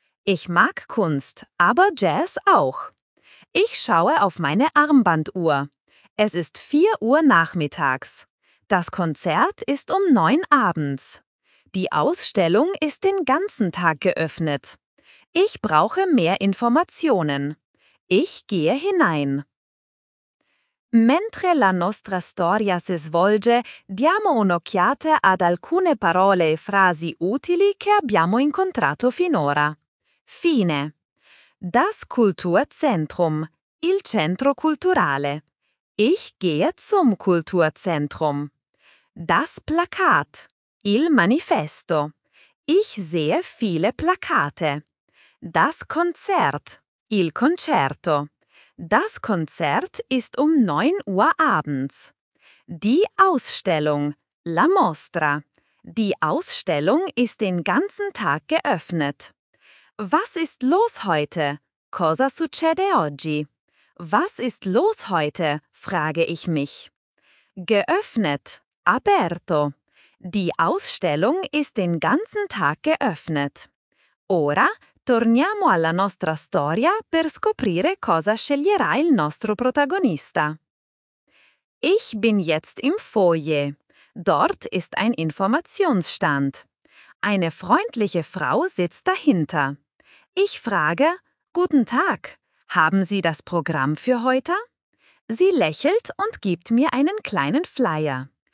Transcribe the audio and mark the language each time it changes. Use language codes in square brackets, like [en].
[de] Ich mag Kunst, aber Jazz auch. Ich schaue auf meine Armbanduhr. Es ist 4 Uhr nachmittags. Das Konzert ist um 9 abends. Die Ausstellung ist den ganzen Tag geöffnet. Ich brauche mehr Informationen. Ich gehe hinein. [it] Mentre la nostra storia si svolge, diamo un'occhiata ad alcune parole e frasi utili che abbiamo incontrato finora. [de] Fine. Das Kulturzentrum. [it] Il centro culturale. [de] Ich gehe zum Kulturzentrum. Das Plakat. [it] Il manifesto. [de] Ich sehe viele Plakate. Das Konzert. [it] Il concerto. [de] Das Konzert ist um 9 Uhr abends. Die Ausstellung, [it] la mostra. [de] Die Ausstellung ist den ganzen Tag geöffnet. Was ist los heute? [it] Cosa succede oggi? [de] Was ist los heute? Frage ich mich. Geöffnet, aperto. Die Ausstellung ist den ganzen Tag geöffnet. [it] Ora, torniamo alla nostra storia per scoprire cosa sceglierà il nostro protagonista. [de] Ich bin jetzt im Foyer. Dort ist ein Informationsstand. Eine freundliche Frau sitzt dahinter. Ich frage, guten Tag, haben Sie das Programm für heute? Sie lächelt und gibt mir einen kleinen Flyer.